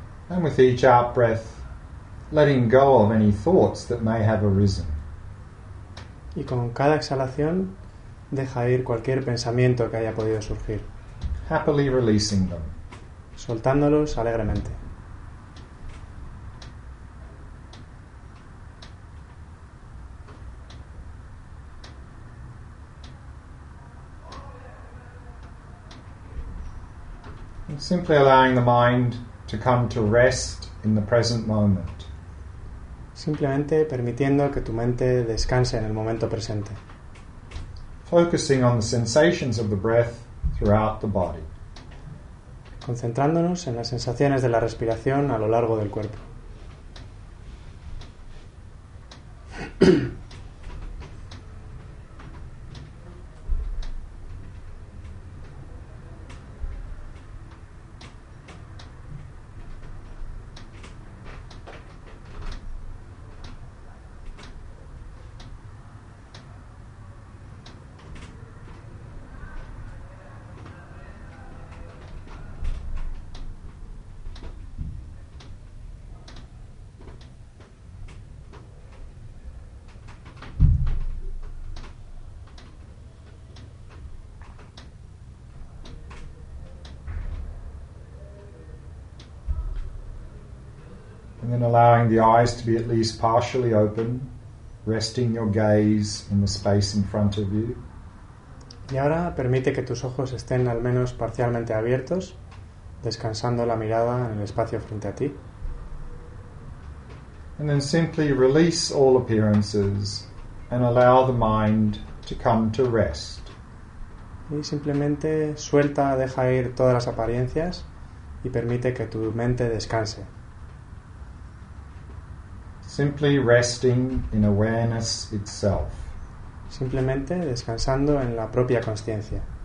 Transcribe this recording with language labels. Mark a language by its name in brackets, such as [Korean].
[English] And with each out-breath, letting go of any thoughts that may have arisen. [Spanish] Y con cada exhalación, deja ir cualquier pensamiento que haya podido surgir. [English] Happily releasing them. [Spanish] Soltándolos alegremente. [English] And simply allowing the mind to come to rest in the present moment. [Spanish] Simplemente permitiendo que tu mente descanse en el momento presente. [English] Focusing on the sensations of the breath throughout the body. [Spanish] Concentrándonos en las sensaciones de la respiración a lo largo del cuerpo. [English] And then allowing the eyes to be at least partially open, resting your gaze in the space in front of you. [Spanish] Y ahora permite que tus ojos estén al menos parcialmente abiertos, descansando la mirada en el espacio frente a ti. [English] And then simply release all appearances and allow the mind to come to rest. [Spanish] Y simplemente suelta, deja ir todas las apariencias y permite que tu mente descanse. [English] Simply resting in awareness itself. [Spanish] Simplemente descansando en la propia consciencia.